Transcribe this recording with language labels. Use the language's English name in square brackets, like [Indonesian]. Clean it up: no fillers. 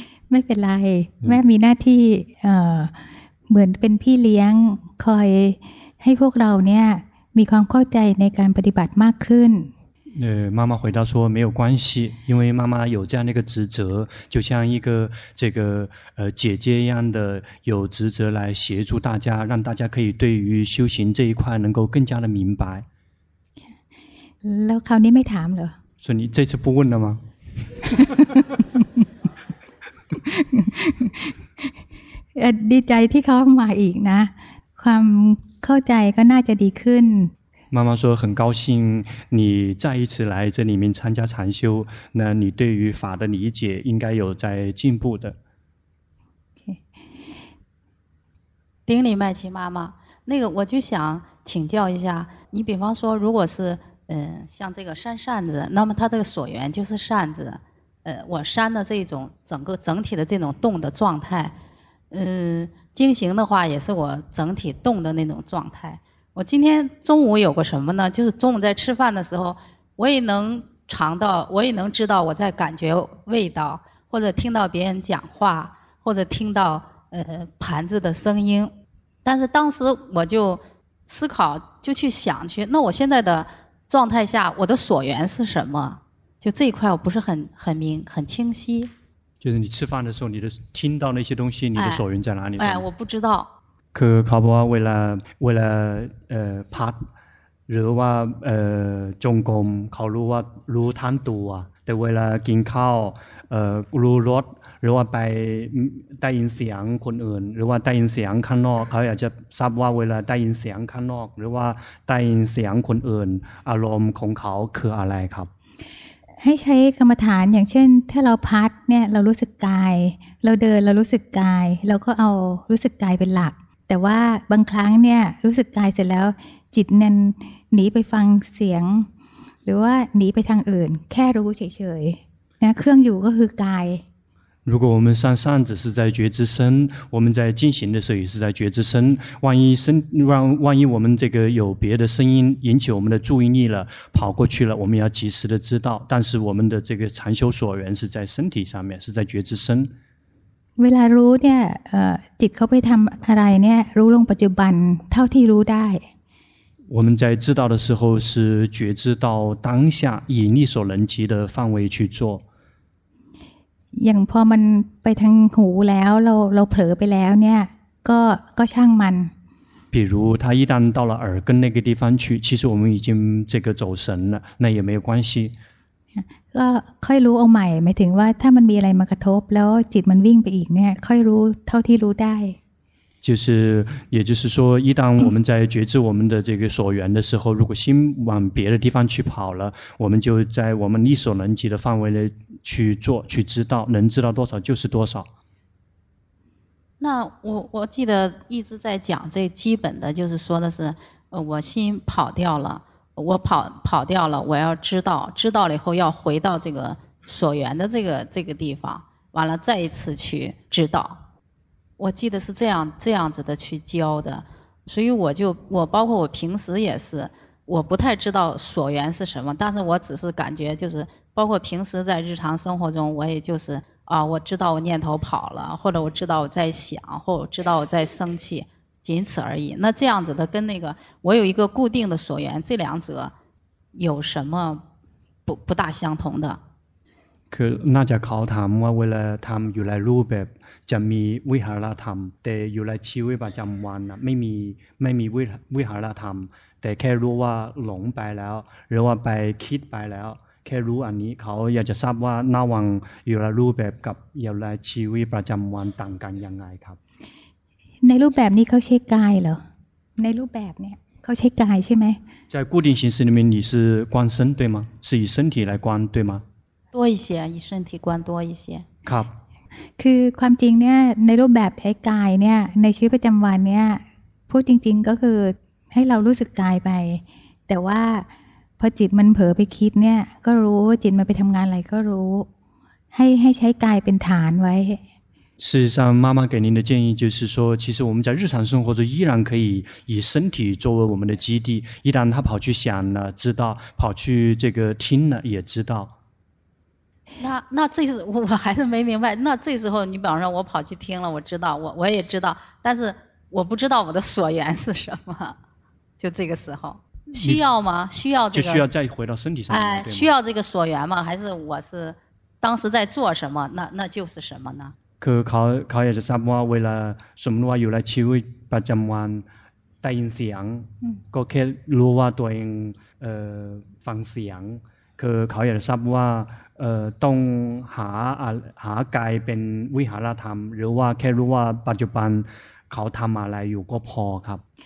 [Thai] ไม่เป็นไรแม่มีหน้าที่เหมือนเป็นพี่เลี้ยงคอยให้พวกเราเนี่ยมีความเข้าใจในการปฏิบัติมากขึ้น [Chinese] 妈妈回答说没有关系因为妈妈有这样的一个职责就像一个这个姐姐一样的有职责来协助大家让大家可以对于修行这一块能够更加的明白 [Thai] แล้วคราวนี้ไม่ถามเหรอ [Chinese] 所以你这次不问了吗 [Thai] ดีใจที่เขามาอีกนะความเข้าใจก็น่าจะดีขึ้น [Chinese] 妈妈说很高兴你再一次来这里面参加禅修那你对于法的理解应该有在进步的顶礼拜七妈妈那个我就想请教一下你比方说如果是像这个扇扇子那么它这个所缘就是扇子我扇的这种整体的这种动的状态经行的话也是我整体动的那种状态我今天中午有个什么呢就是中午在吃饭的时候我也能尝到我也能知道我在感觉味道或者听到别人讲话或者听到盘子的声音但是当时我就思考就去想去那我现在的状态下我的所缘是什么就这一块我不是很明很清晰就是你吃饭的时候你的听到那些东西你的所缘在哪里哎我不知道 [Thai] คือเขาบอกว่าเวลาพัดหรือว่าจงกรมเขารู้ว่ารู้ทั้งตัวแต่เวลากินข้าวรู้รสหรือว่าไปได้ยินเสียงคนอื่นหรือว่าได้ยินเสียงข้างนอกเขาอยากจะทราบว่าเวลาได้ยินเสียงข้างนอกหรือว่าได้ยินเสียงคนอื่นอารมณ์ของเขาคืออะไรครับ ให้ใช้กรรมฐานอย่างเช่นถ้าเราพัดเนี่ยเรารู้สึกกายเราเดินเรารู้สึกกายเราก็เอารู้สึกกายเป็นหลักแต่ว่าบางครั้งเนี่ยรู้สึกกายเสร็จแล้วจิตนั้นหนีไปฟังเสียงหรือว่าหนีไปทางอื่นแค่รู้เฉยๆนะเครื่องอยู่ก็คือกาย [Chinese] 如果我们上扇子是在觉知身我们在进行的时候也是在觉知身万一我们这个有别的声音引起我们的注意力了跑过去了我们要及时的知道但是我们的这个禅修所缘是在身体上面是在觉知身 [Thai] เวลารู้เนี่ยจิตเขาไปทำอะไรเนี่ยรู้ลงปัจจุบันเท่าที่รู้ได้ [Chinese] 我们在知道的时候是觉知到当下以力所能及的范围去做 [Thai] อย่างพอมันไปทางหูแล้วเราเผลอไปแล้วเนี่ยก็ช่างมัน [Chinese] 比如他一旦到了耳根那个地方去其实我们已经这个走神了那也没有关系 [Thai] ก็ค่อยรู้เอาใหม่หมายถึงว่าถ้ามันมีอะไรมากระทบแล้วจิตมันวิ่งไปอีกเนี่ยค่อยรู้เท่าที่รู้ได้ [Chinese] 就是也就是说一旦我们在觉知我们的这个所缘的时候如果心往别的地方去跑了我们就在我们力所能及的范围内去做去知道能知道多少就是多少那我记得一直在讲最基本的就是说的是我心跑掉了我跑掉了我要知道知道了以后要回到这个所缘的这个地方完了再一次去知道我记得是这样子的去教的所以我包括我平时也是我不太知道所缘是什么但是我只是感觉就是包括平时在日常生活中我也就是啊我知道我念头跑了或者我知道我在想或者我知道我在生气仅此而已那这样子的跟那个我有一个固定的所缘这两者有什么不大相同的 [Thai] คือน่าจะเขาถามว่าเวลาทำอยู่ในรูปแบบจะมีวิหารธรรมแต่อยู่ในชีวิตประจำวันนะไม่มีวิหารธรรมแต่แค่รู้ว่าหลงไปแล้วหรือว่าไปคิดไปแล้วแค่รู้อันนี้เขาอยากจะทราบว่าระหว่างอยู่ในรูปแบบกับอยู่ในชีวิตประจำวันต่างกันยังไงครับ ในรูปแบบนี้เขาใช้กายเหรอในรูปแบบเนี่ยเขาใช้กายใช่ไหม [Chinese] 在固定形式里面你是观身对吗是以身体来观对吗多一些以身体观多一些 [Thai] ครับ คือความจริงเนี่ยในรูปแบบใช้กายเนี่ยในชีวิตประจำวันเนี่ยพูดจริงๆก็คือให้เรารู้สึกกายไปแต่ว่าพอจิตมันเผลอไปคิดเนี่ยก็รู้จิตมันไปทำงานอะไรก็รู้ให้ใช้กายเป็นฐานไว้ [Chinese] 事实上妈妈给您的建议就是说其实我们在日常生活中依然可以以身体作为我们的基地一旦他跑去想了知道跑去这个听了也知道那这时候我还是没明白那这时候你比方说我跑去听了我知道我也知道但是我不知道我的所缘是什么就这个时候需要吗需要这个就需要再回到身体上哎，需要这个所缘吗还是我是当时在做什么那就是什么呢 [Thai] คือเขาอยากจะทราบว่าเวลาสมมติว่าอยู่ในชีวิตประจำวันได้ยินเสียงก็แค่รู้ว่าตัวเองฟังเสียงคือเขาอยากจะทราบว่าต้องหากายเป็นวิหารธรรมหรือว่าแค่รู้ว่าปัจจุบันเขาทำอะไรอยู่ก็พอครับ